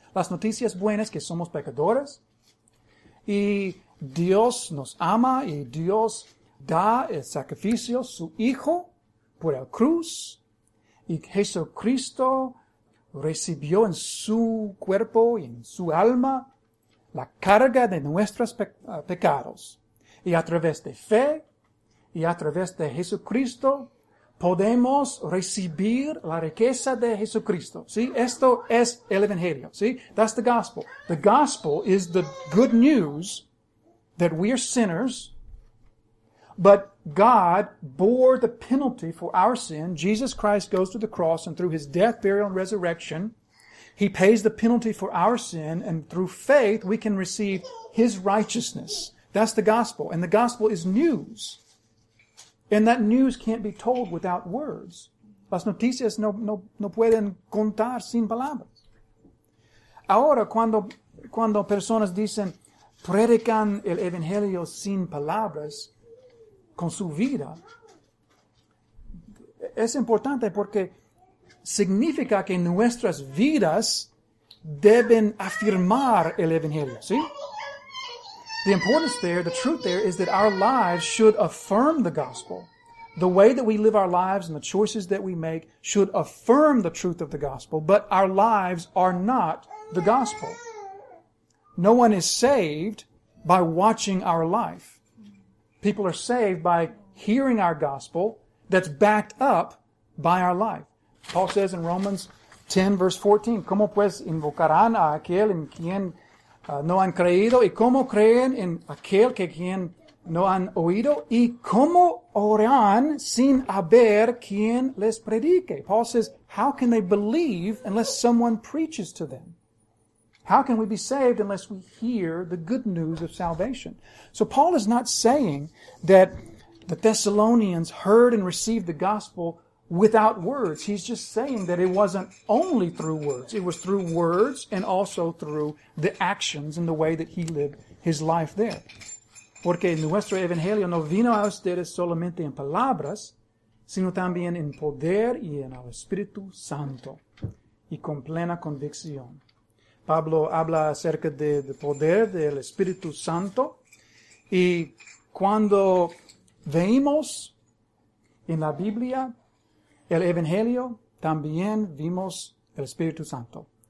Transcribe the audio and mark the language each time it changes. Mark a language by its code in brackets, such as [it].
[es] Las noticias buenas que somos pecadores y Dios nos ama y Dios da el sacrificio, su hijo, por la cruz y Jesucristo recibió en su cuerpo y en su alma la carga de nuestros pecados. Y a través de fe y a través de Jesucristo podemos recibir la riqueza de Jesucristo. ¿Sí? Esto es el Evangelio. ¿Sí? [en] That's the gospel. The gospel is the good news that we are sinners, but God bore the penalty for our sin. Jesus Christ goes to the cross, and through his death, burial, and resurrection, he pays the penalty for our sin, and through faith, we can receive his righteousness. That's the gospel. And the gospel is news. And that news can't be told without words. [es] Las noticias no pueden contar sin palabras. Ahora, cuando personas dicen, predican el evangelio sin palabras, con su vida, es importante porque significa que nuestras vidas deben afirmar el Evangelio. [en] See? The importance there, the truth there, is that our lives should affirm the gospel. The way that we live our lives and the choices that we make should affirm the truth of the gospel, but our lives are not the gospel. No one is saved by watching our life. People are saved by hearing our gospel that's backed up by our life. Paul says in Romans 10, verse 14, [es] ¿Cómo pues invocarán a aquel en quien no han creído? ¿Y cómo creen en aquel que quien no han oído? ¿Y cómo oran sin haber quien les predique? [en] Paul says, how can they believe unless someone preaches to them? How can we be saved unless we hear the good news of salvation? So Paul is not saying that the Thessalonians heard and received the gospel without words. He's just saying that it wasn't only through words. It was through words and also through the actions and the way that he lived his life there. [es] Porque nuestro evangelio no vino a ustedes solamente en palabras, sino también en poder y en el Espíritu Santo y con plena convicción. Pablo habla acerca de poder del Espíritu Santo y cuando vemos en la Biblia el Evangelio, también vimos el Espíritu Santo.